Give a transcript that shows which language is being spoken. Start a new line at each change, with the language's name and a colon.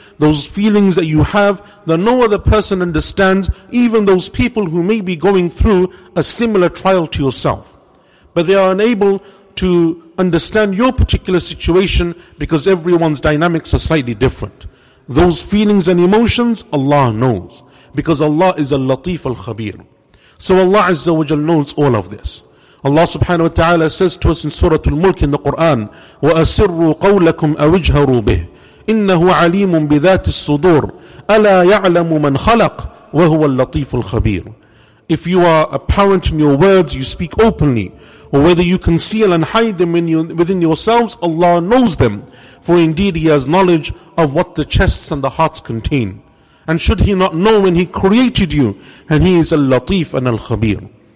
English: Those feelings that you have that no other person understands, even those people who may be going through a similar trial to yourself. But they are unable to understand your particular situation because everyone's dynamics are slightly different. Those feelings and emotions, Allah knows. Because Allah is al-Latif al-Khabir. So Allah Azza wa Jal knows all of this. Allah subhanahu wa ta'ala says to us in Surah Al-Mulk in the Quran,
Arabic: وَأَسِرُّوا قَوْلَكُمْ أَوِجْهَرُوا بِهِ إِنَّهُ عَلِيمٌ بِذَاتِ الصُّدُورِ أَلَا يَعْلَمُ مَنْ خَلَقْ وَهُوَ اللَّطِيفُ الْخَبِيرُ.
English: If you are apparent in your words, you speak openly, or whether you conceal and hide them within yourselves, Allah knows them, for indeed He has knowledge of what the chests and the hearts contain. And should He not know when He created you, and He is al-Latif and al-Khabir.